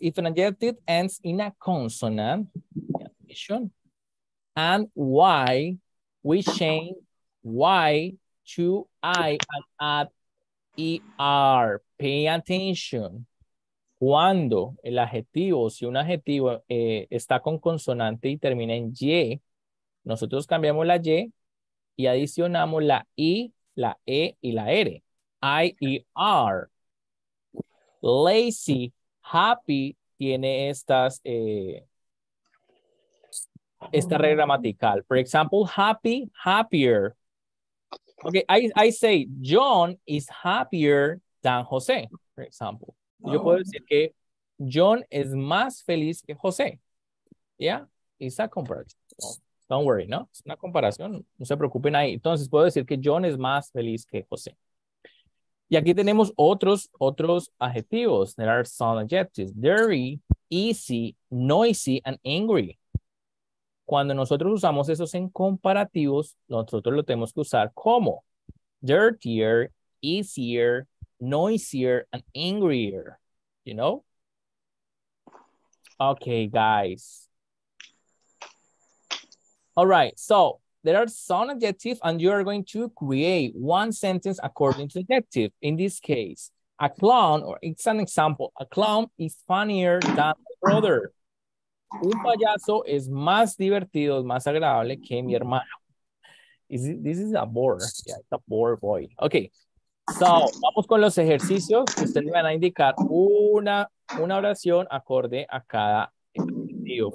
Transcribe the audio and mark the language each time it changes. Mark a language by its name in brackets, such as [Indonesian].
[English] If an adjective ends in a consonant, and why we change Y to I and add ER. Pay attention. [Spanish] Cuando el adjetivo, si un adjetivo está con consonante y termina en Y, nosotros cambiamos la Y y adicionamos la I, la E y la R. I-E-R, lazy, happy, tiene estas, esta regla gramatical. [English] For example, happy, happier. Okay, I say, John is happier than José, for example. [Spanish] Yo puedo decir que John es más feliz que José. [English] Yeah, it's a comparison. Don't worry, no? [Spanish] Es una comparación, no se preocupen ahí. Entonces, puedo decir que John es más feliz que José. Y aquí tenemos otros adjetivos. [English] There are some adjectives. Dirty, easy, noisy, and angry. [Spanish] Cuando nosotros usamos esos en comparativos, nosotros lo tenemos que usar como dirtier, easier, noisier, and angrier. [English] You know? Okay, guys. All right, so there are some adjectives and you are going to create one sentence according to the adjective. In this case, a clown, or it's an example, a clown is funnier than my brother. [Spanish] Un payaso es más divertido, más agradable que mi hermano. [English] This is a bore. Yeah, it's a bore boy. Okay, so [Spanish] vamos con los ejercicios. Ustedes van a indicar una oración acorde a cada adjetivo.